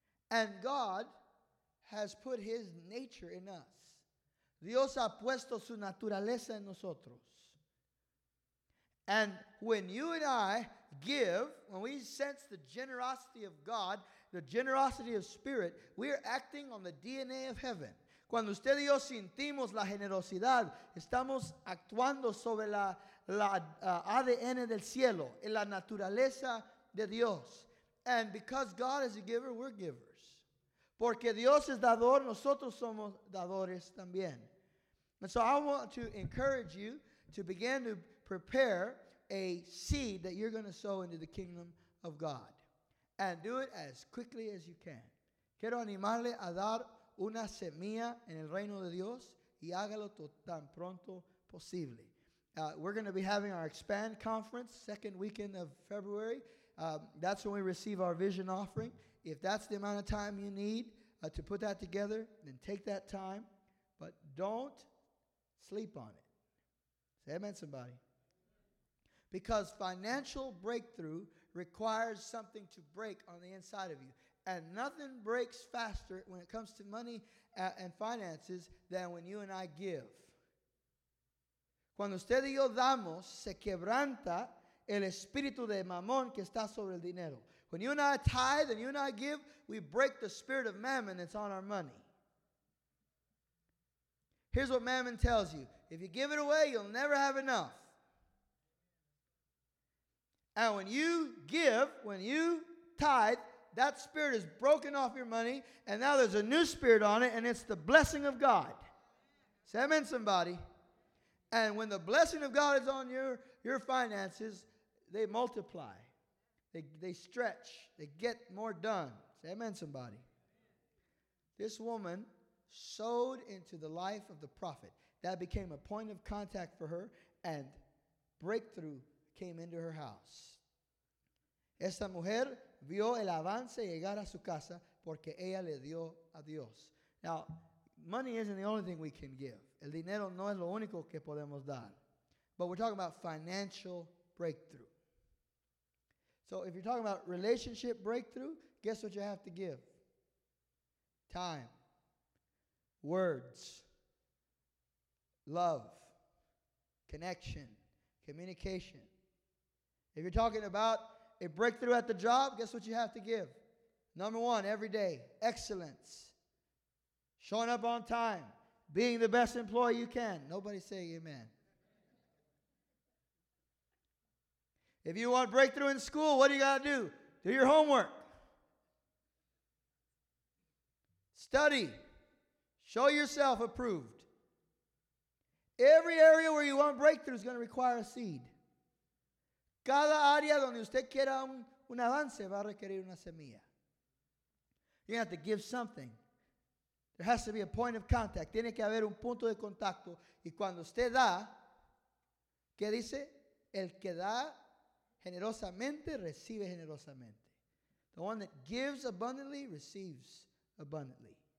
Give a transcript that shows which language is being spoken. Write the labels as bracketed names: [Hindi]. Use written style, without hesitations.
[English] And God has put his nature in us. [Spanish] Dios ha puesto su naturaleza en nosotros. [English] And when you and I give, when we sense the generosity of God, the generosity of Spirit, we are acting on the DNA of heaven. [Spanish] Cuando usted y yo sentimos la generosidad, estamos actuando sobre la ADN del cielo, en la naturaleza de Dios. [English] And because God is a giver, we're givers. [Spanish] Porque Dios es dador, nosotros somos dadores también. [English] And so I want to encourage you to begin to prepare a seed that you're going to sow into the kingdom of God. And do it as quickly as you can. [Spanish] Quiero animarle a dar una semilla en el reino de Dios y hágalo tan pronto posible. [English] We're going to be having our Expand Conference, second weekend of February. That's when we receive our vision offering. If that's the amount of time you need to put that together, then take that time. But don't sleep on it. Say amen, somebody. Because financial breakthrough requires something to break on the inside of you. And nothing breaks faster when it comes to money and finances than when you and I give. [Spanish] Cuando usted y yo damos, se quebranta el espíritu de mamón que está sobre el dinero. [English] When you and I tithe and you and I give, we break the spirit of mammon that's on our money. Here's what mammon tells you. If you give it away, you'll never have enough. And when you give, when you tithe, that spirit is broken off your money, and now there's a new spirit on it, and it's the blessing of God. Say amen, somebody. And when the blessing of God is on your finances, they multiply. They stretch. They get more done. Say amen, somebody. This woman sowed into the life of the prophet. That became a point of contact for her, and breakthrough came into her house. [Spanish] Esta mujer vio el avance llegar a su casa porque ella le dio a Dios. [English] Now, money isn't the only thing we can give. [Spanish] El dinero no es lo único que podemos dar. [English] But we're talking about financial breakthrough. So if you're talking about relationship breakthrough, guess what you have to give? Time. Words. Love. Connection. Communication. If you're talking about a breakthrough at the job, guess what you have to give? Number one, every day, excellence. Showing up on time. Being the best employee you can. Nobody say amen. If you want breakthrough in school, what do you got to do? Do your homework. Study. Show yourself approved. Every area where you want breakthrough is going to require a seed. [Spanish] Cada área donde usted quiera un avance va a requerir una semilla. [English] You have to give something. There has to be a point of contact. [Spanish] Tiene que haber un punto de contacto. Y cuando usted da, ¿qué dice? El que da generosamente, recibe generosamente. [English] The one that gives abundantly, receives abundantly.